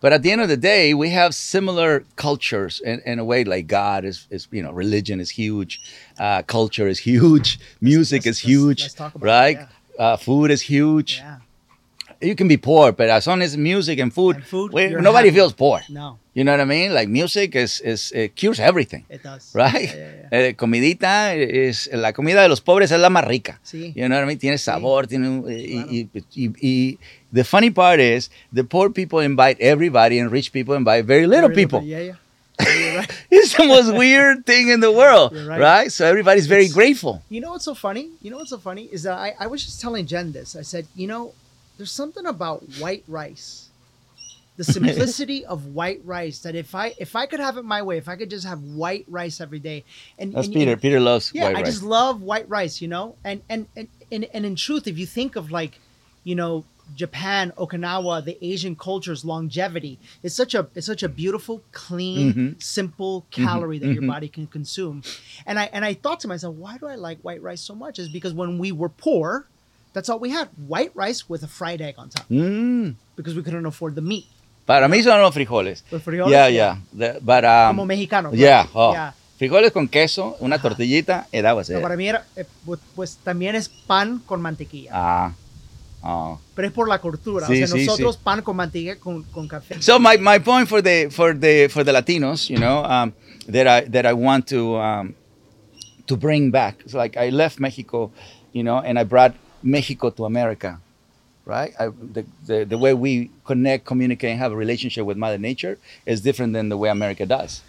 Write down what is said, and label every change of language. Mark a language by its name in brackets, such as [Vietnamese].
[English] But at the end of the day, we have similar cultures in a way, like God is, you know, religion is huge, culture is huge, music is huge, right? Food is huge. Yeah. You can be poor, but as long as music and food, nobody feels poor. No. You know what I mean? Like music is it cures everything. It does. Right? Yeah, yeah, yeah. [Spanish] Comidita [English] is [Spanish] la comida de los pobres es la más rica. Sí. [English] You know what I mean? [Spanish] Tiene sabor, sí. Tiene [English] the funny part is the poor people invite everybody and rich people invite very little people. Yeah, yeah. It's the most weird thing in the world. Right? So everybody's very grateful. You know what's so funny? Is that I was just telling Jen this. I said, you know, there's something about white rice. The simplicity of white rice that if I could have it my way, if I could just have white rice every day. Peter loves white rice. Yeah, I just love white rice, you know? And in truth, if you think of like, you know, Japan, Okinawa, the Asian culture's longevity. It's such a beautiful, clean, mm-hmm. simple calorie mm-hmm. that mm-hmm. your body can consume. And I thought to myself, why do I like white rice so much? It's because when we were poor, that's all we had. White rice with a fried egg on top. Mm. Because we couldn't afford the meat. [Spanish] Para mí son los frijoles. Los frijoles. [English] Yeah, yeah. [Spanish] Como mexicano. [English] Right? Yeah. Oh. Yeah. [Spanish] Frijoles con queso, una tortillita, y [English] that was it. [Spanish] Para mí era, pues también es pan con mantequilla. Ah. Oh. Pero es por la cultura. Sí, o sea, nosotros sí. Pan con mantequilla con café. [English] So my point for the Latinos, you know, that I want to bring back. It's like I left Mexico, you know, and I brought Mexico to America, right? The way we connect, communicate, and have a relationship with Mother Nature is different than the way America does.